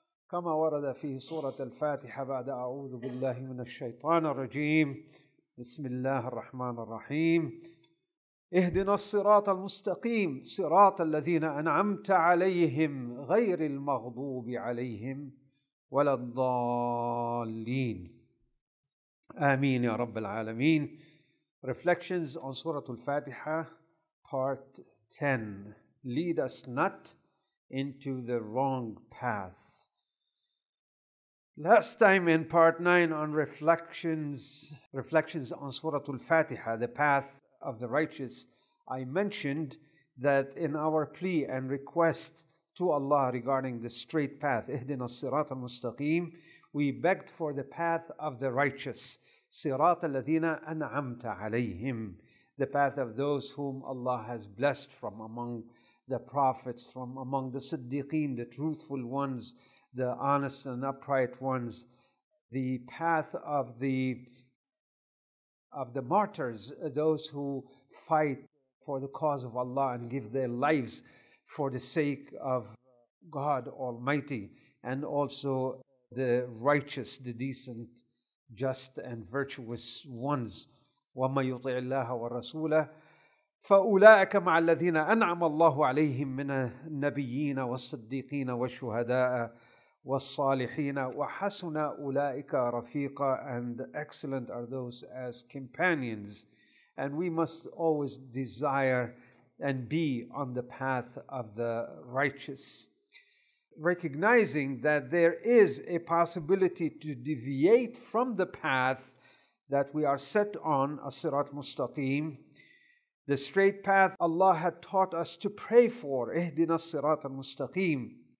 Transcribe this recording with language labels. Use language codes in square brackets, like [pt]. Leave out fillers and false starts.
[ar] كما ورد في سورة الفاتحة بعد أعوذ بالله من الشيطان الرجيم بسم الله الرحمن الرحيم اهدنا الصراط المستقيم صراط الذين أنعمت عليهم غير المغضوب عليهم ولا الضالين آمين يا رب العالمين. [en] Reflections on Surah Al-Fatiha, Part 10. Lead us not into the wrong path. Last time in Part 9 on Reflections on Surah Al-Fatiha, the path of the righteous, I mentioned that in our plea and request to Allah regarding the straight path, [ar] اهْدِنَا الصِّرَاطَ الْمُسْتَقِيمِ, [en] we begged for the path of the righteous, [ar] صِرَاطَ الَّذِينَ أَنْعَمْتَ عَلَيْهِمْ, [en] the path of those whom Allah has blessed from among the prophets, from among the siddiqeen, the truthful ones, the honest and upright ones, the path of the martyrs, those who fight for the cause of Allah and give their lives for the sake of God Almighty, and also the righteous, the decent, just, and virtuous ones. [ar] وَمَا يُطِعِ اللَّهَ وَالرَّسُولَهِ فَأُولَٰئِكَ مَعَ الَّذِينَ أَنْعَمَ اللَّهُ عَلَيْهِمْ مِنَ النَّبِيِّينَ وَالصَّدِّيقِينَ وَالشُّهَدَاءَ وَالصَّالِحِينَ وَحَسُنَ أُولَٰئِكَ رَفِيقًا, [en] and excellent are those as companions. And we must always desire and be on the path of the righteous, recognizing that there is a possibility to deviate from the path that we are set on, as-sirat mustaqim, the straight path Allah had taught us to pray for, [ar] اِهْدِنَا الصِّرَاطَ [en] mustaqim.